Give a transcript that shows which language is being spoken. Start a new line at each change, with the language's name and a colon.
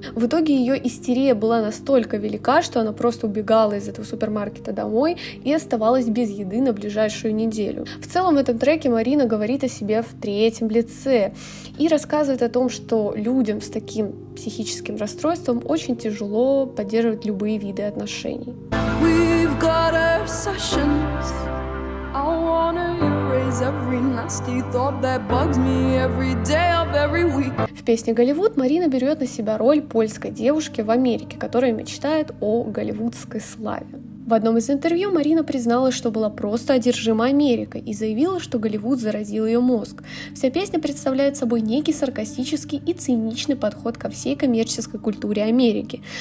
Russian: В итоге ее истерия была настолько велика, что она просто убегала из этого супермаркета домой и оставалась без еды на ближайшую неделю. В целом в этом треке Марина говорит о себе в третьем лице и рассказывает о том, что людям с таким психическим расстройством очень тяжело поддерживать любые виды отношений.
English: We've got obsessions. I wanna erase every nasty thought that bugs me every day of every week.
Russian: В песне «Голливуд» Марина берет на себя роль польской девушки в Америке, которая мечтает о голливудской славе. В одном из интервью Марина призналась, что была просто одержима Америкой и заявила, что Голливуд заразил ее мозг. Вся песня представляет собой некий саркастический и циничный подход ко всей коммерческой культуре Америки.